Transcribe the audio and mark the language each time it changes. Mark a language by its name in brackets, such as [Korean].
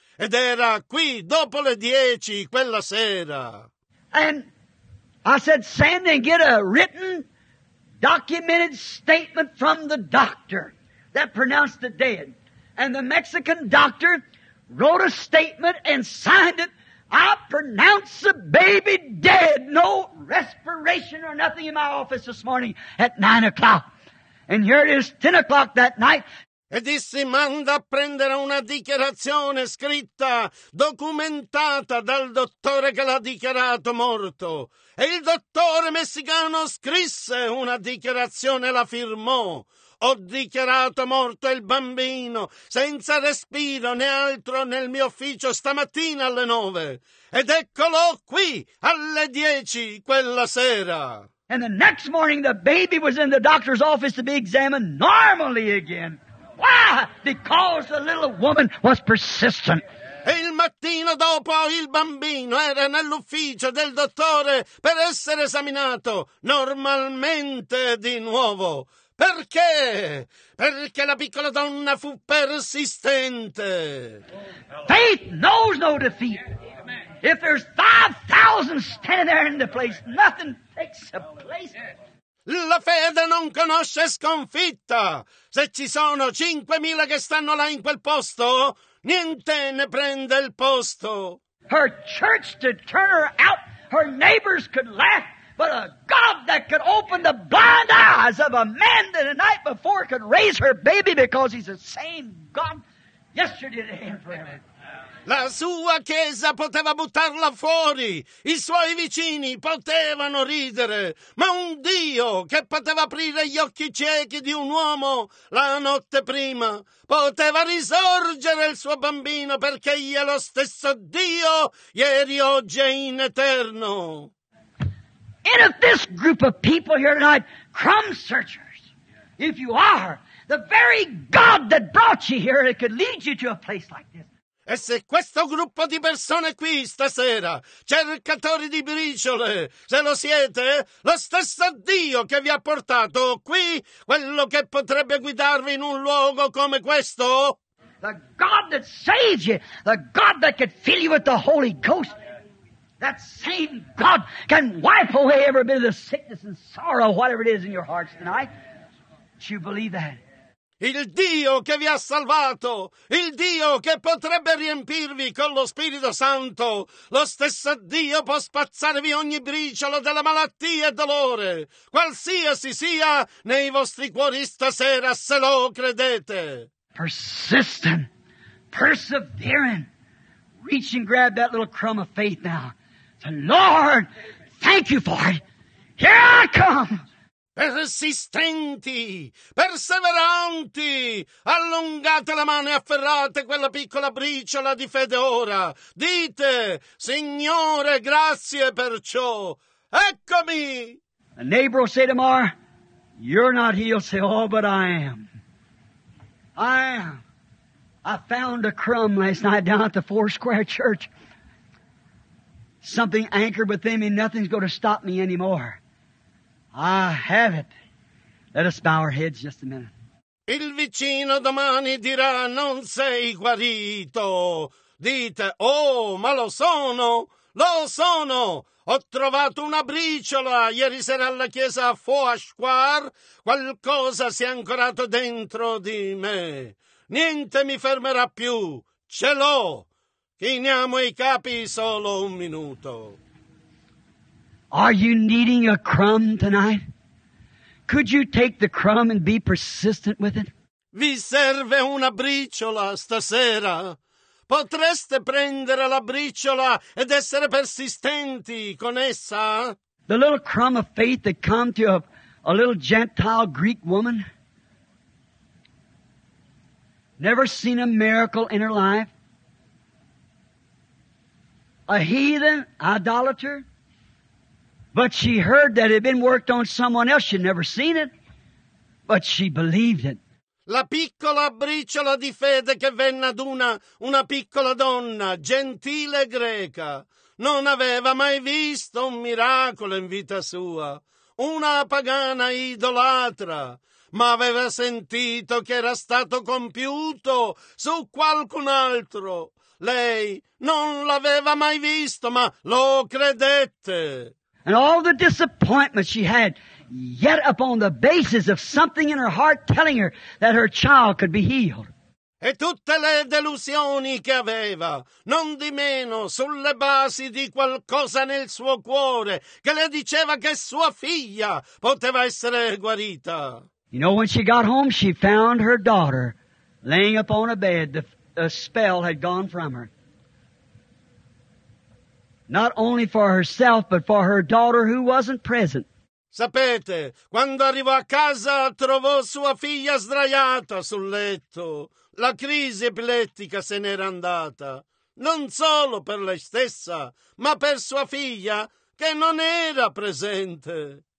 [Italian] Ed era qui dopo le 10 quella sera. [English] And I said, send and get a written, documented statement from the doctor that pronounced it dead. And the Mexican doctor wrote a statement and signed it. I pronounce the baby dead. No respiration or nothing in my office this morning at 9 o'clock. And here it is, 10 o'clock that night. [Italian] E dissi, manda a prendere una dichiarazione scritta, documentata dal dottore che l'ha dichiarato morto. E il dottore messicano scrisse una dichiarazione, la firmò. Ho dichiarato morto il bambino, senza respiro né altro, nel mio ufficio stamattina alle 9. Ed eccolo qui, alle 10, quella sera. [English] And the next morning the baby was in the doctor's office to be examined normally again. Why? Because the little woman was persistent. [Italian] E il mattino dopo il bambino era nell'ufficio del dottore per essere esaminato normalmente di nuovo. Perché? Perché la piccola donna fu persistente. [English] Faith knows no defeat. If there's 5,000 standing there in the place, nothing takes the place. [Italian] La fede non conosce sconfitta. Se ci sono 5,000 che stanno là in quel posto, niente ne prende il posto. [English] Her church did turn her out. Her neighbors could laugh. But a God that could open the blind eyes of a man that the night before could raise her baby, because he's the same God yesterday, today, and forever. [Italian] La sua chiesa poteva buttarla fuori, i suoi vicini potevano ridere, ma un Dio che poteva aprire gli occhi ciechi di un uomo la notte prima, poteva risorgere il suo bambino, perché egli è lo stesso Dio, ieri, oggi e in eterno. [English] And if this group of people here tonight, crumb searchers, if you are, the very God that brought you here, it could lead you to a place like this. [Italian] E se questo gruppo di persone qui stasera, cercatori di briciole, se lo siete, lo stesso Dio che vi ha portato qui, quello che potrebbe guidarvi in un luogo come questo? [English] The God that saved you, the God that could fill you with the Holy Ghost, that same God can wipe away every bit of the sickness and sorrow, whatever it is in your hearts tonight. Do you believe that? [Italian] Il Dio che vi ha salvato, il Dio che potrebbe riempirvi con lo Spirito Santo, lo stesso Dio può spazzarvi ogni briciolo della malattia e dolore, qualsiasi sia nei vostri cuori stasera, se lo credete. [English] Persistent, persevering, reach and grab that little crumb of faith now. The Lord, thank you for it. Here I come. [Italian] Persistenti, perseveranti, allungate la mano e afferrate quella piccola briciola di fede ora. Dite, Signore, grazie per ciò. Eccomi! [English] A neighbor will say tomorrow, you're not healed. Say, oh, but I am. I am. I found a crumb last night down at the Four Square Church. Something anchored within me. Nothing's going to stop me anymore. I have it. Let us bow our heads just a minute. [Italian] Il vicino domani dirà, non sei guarito. Dite, oh, ma lo sono. Lo sono. Ho trovato una briciola ieri sera alla chiesa a Foasquar. Qualcosa si è ancorato dentro di me. Niente mi fermerà più. Ce l'ho. Chiniamo i capi solo un minuto. [English] Are you needing a crumb tonight? Could you take the crumb and be persistent with it? [Italian] Vi serve una briciola stasera. Potreste prendere la briciola ed essere persistenti con essa? [English] The little crumb of faith that come to a little Gentile Greek woman. Never seen a miracle in her life. A heathen idolater. But she heard that it had been worked on someone else. She'd never seen it, but she believed it. [Italian] La piccola briciola di fede che venne ad una piccola donna, gentile greca, non aveva mai visto un miracolo in vita sua, una pagana idolatra, ma aveva sentito che era stato compiuto su qualcun altro. Lei non l'aveva mai visto, ma lo credette. [English] And all the disappointment she had, yet upon the basis of something in her heart telling her that her child could be healed. [Italian] E tutte le delusioni che aveva, non di meno sulle basi di qualcosa nel suo cuore che le diceva che sua figlia poteva essere guarita. [English] You know, when she got home, she found her daughter laying upon a bed. The spell had gone from her. Not only for herself, but for her daughter who wasn't present. [Italian] Sapete, quando arrivò a casa, trovò sua figlia sdraiata sul letto. La crisi epilettica se n'era andata. Non solo per lei stessa, ma per sua figlia, che non era presente.